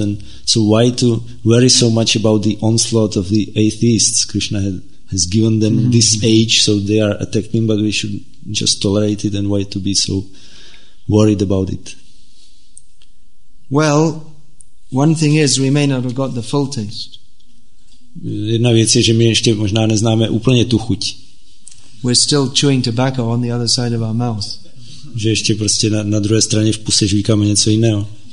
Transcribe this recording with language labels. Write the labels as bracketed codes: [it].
[en] And so why to worry so much about the onslaught of the atheists? Krishna has given them this age, so they are attacking, but we should just tolerate it, and why to be so worried about it? Well, one thing is, we may not have got the full taste. [cs] Jedna věc je, že my ještě možná neznáme úplně tu chuť. [en] We're still chewing tobacco on the other side of our mouth. [cs] Že ještě prostě na druhé straně v puse žvíkáme něco jiného.